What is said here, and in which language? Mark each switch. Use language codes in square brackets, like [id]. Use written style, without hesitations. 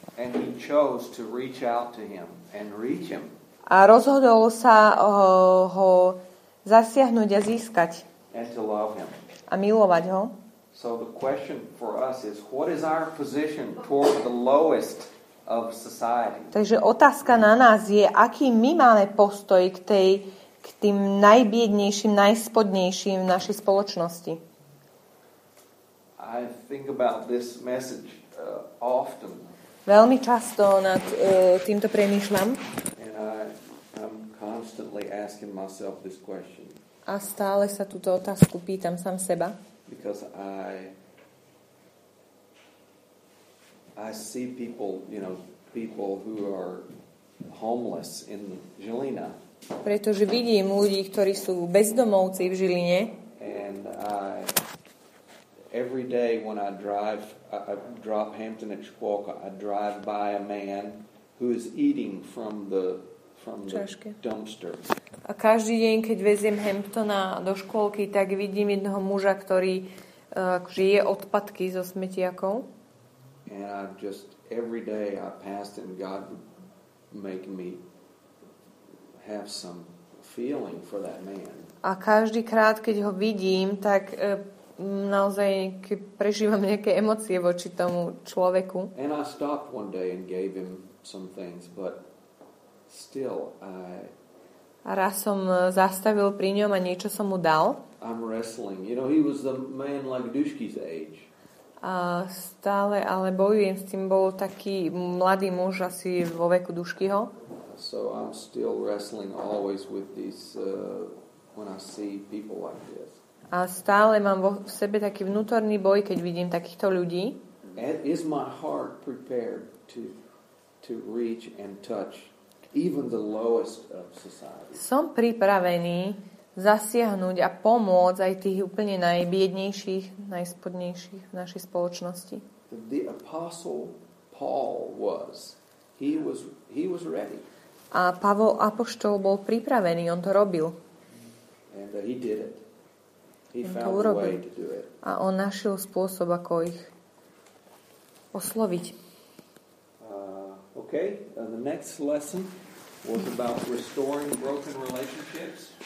[en] And he chose to reach out to him and reach him. [sk] A rozhodol sa ho zasiahnuť a získať. [en] And to love him. [sk] A milovať ho. [en] So the question for us is, what is our position toward the lowest of society? [sk] Takže otázka na nás je, aký my máme postoj k tým najbiednejším, najspodnejším v našej spoločnosti. [en] I think about this message often. [sk] Veľmi často nad týmto premýšľam. [en] And I'm constantly asking myself this question. [sk] A stále sa túto otázku pýtam sám seba. [en] Because I see people, you know, people who are homeless in Žilina. [sk] Pretože vidím ľudí, ktorí sú bezdomovci v Žiline. [en] And every day when I drop Hampton at Chukwaka, I drive by a man who is eating from the dumpster. [sk] A každý deň, keď veziem Hamptona do škôlky, tak vidím jedného muža, ktorý je odpadky zo smetiakov. [en] And I just every day I passed and God would make me have some feeling for that man. [sk] A každý krát, keď ho vidím, tak naozaj prežívam nejaké emócie voči tomu človeku. [en] And I stopped one day and gave him some things, but still I [sk] a raz som zastavil pri ňom a niečo som mu dal. [en] I'm wrestling. You know, he was the man like Dušky's age. [sk] A stále ale bojujem s tým, bol taký mladý muž asi vo veku Duškyho. [en] So I'm still wrestling always with these when I see people like this. [sk] A stále mám vo sebe taký vnútorný boj, keď vidím takýchto ľudí. [en] Is my heart prepared to reach and touch even the lowest of society? [sk] Som pripravený zasiahnuť a pomôcť aj tých úplne najbiednejších, najspodnejších v našej spoločnosti. [en] The apostle Paul was. He was ready. [sk] A Pavol apoštol bol pripravený, on to robil. [en] And he did it. He found a way to do it. [sk] A on našiel spôsob, ako ich osloviť. [en] Okay, the next lesson was about restoring broken relationships.